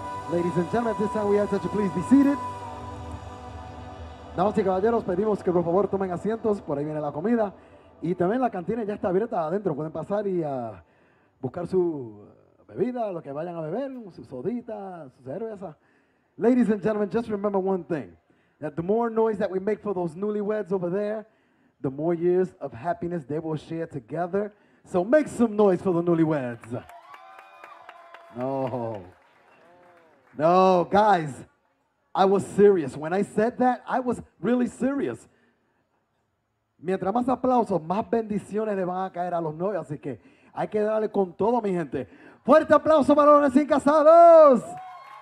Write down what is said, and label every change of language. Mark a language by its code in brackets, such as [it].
[en] Ladies and gentlemen, at this time we ask that you please be seated. [es] Damas y caballeros, pedimos que por favor tomen asientos, por ahí viene la comida. Y también la cantina ya está abierta adentro, pueden pasar y buscar su bebida, lo que vayan a beber, su sodita, su cerveza. [en] Ladies and gentlemen, just remember one thing, that the more noise that we make for those newlyweds over there, the more years of happiness they will share together. So make some noise for the newlyweds. No. No, guys, I was serious. When I said that, I was really serious. [es] Mientras más aplausos, más bendiciones le van a caer a los novios. Así que hay que darle con todo, mi gente. ¡Fuerte aplauso para los recién casados!